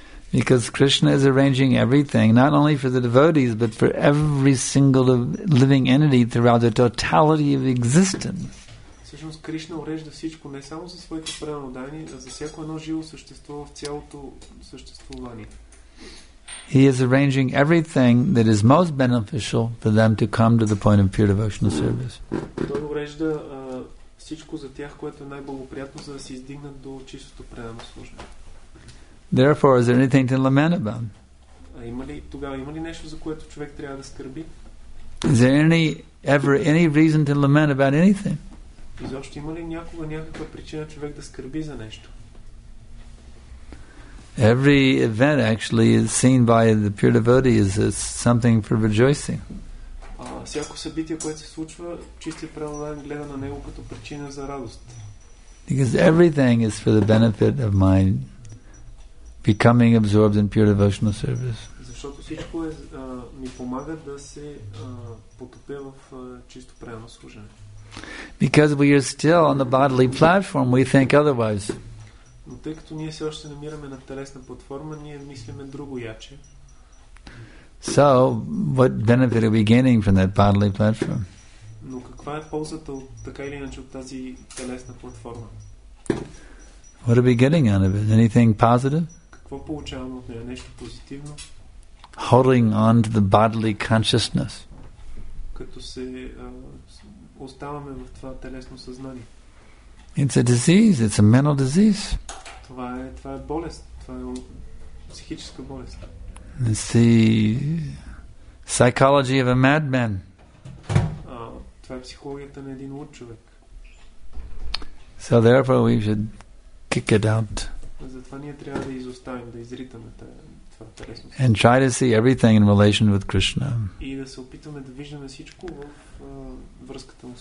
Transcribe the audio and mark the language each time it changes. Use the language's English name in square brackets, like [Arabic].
[English] Because Krishna is arranging everything, not only for the devotees, but for every single living entity throughout the totality of existence. [Bulgarian] Всъщност Кришна урежда всичко не само за своите преродани, а за всяко едно живо същество в цялото съществуване. [English] He is arranging everything that is most beneficial for them to come to the point of pure devotional service. [Bulgarian] Той урежда всичко за тях, което е най-благоприятно, за да се издигнат до чистото предано служение. [English] Therefore, is there anything to lament about? [Bulgarian] Има ли нещо, за което човек трябва да скърби? [English] Is there ever any reason to lament about anything? [Bulgarian] Изобщо има ли някога някаква причина човек да скърби за нещо? [English] Every event actually is seen by the pure devotee as something for rejoicing. [Bulgarian] Всяко събитие, което се случва, чистият преродан гледа на него като причина за радост. [English] Because everything is for the benefit of my becoming absorbed in pure devotional service. [Bulgarian] Защото всичко ми помага да се потопя в чисто преродано служение. [English] Because we are still on the bodily platform, we think otherwise. [Bulgarian] Но тъй като ние все още се намираме на телесна платформа, ние мислиме друго яче. [English] So, what benefit are we gaining from that bodily platform? [Bulgarian] Но каква е ползата от така или иначе от тази телесна платформа? [English] What are we getting out of it? Anything positive? [Bulgarian] Какво получаваме от нея? Нещо позитивно? [English] Holding on to the bodily consciousness. [Bulgarian] Като се оставаме в това телесно съзнание. [English] It's a disease. It's a mental disease. [Bulgarian] Това е болест. Това е психическа болест. [English] It's the psychology of a madman. [Bulgarian] Това е психологията на един луд човек. [English] So therefore we should kick it out. [Bulgarian] Затова ние трябва да изоставим, да изритаме това. [English] And try to see everything in relation with Krishna. [Bulgarian] И да се опитаме да виждаме всичко в връзката му с